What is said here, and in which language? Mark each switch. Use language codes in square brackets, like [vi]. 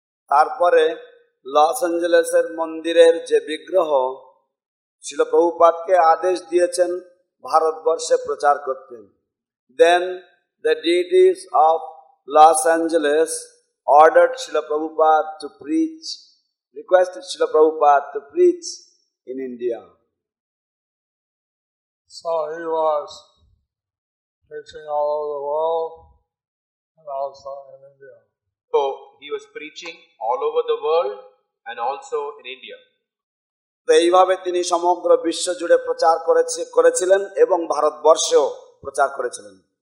[bn] তারপরে Los Angeles এর মন্দিরের যে বিগ্রহ শিল প্রভুপাদকে আদেশ দিয়েছেন ভারতবর্ষে প্রচার করতেন। [en] Then the deities of Los Angeles ordered Srila Prabhupada to preach, requested Srila Prabhupada to preach in India. So he was preaching all over the world and also in India. So he was preaching all over the world and also in India. [bn] এইভাবে তিনি সমগ্র বিশ্ব জুড়ে প্রচার করেছিলেন এবং ভারতবর্ষেও প্রচার করেছিলেন।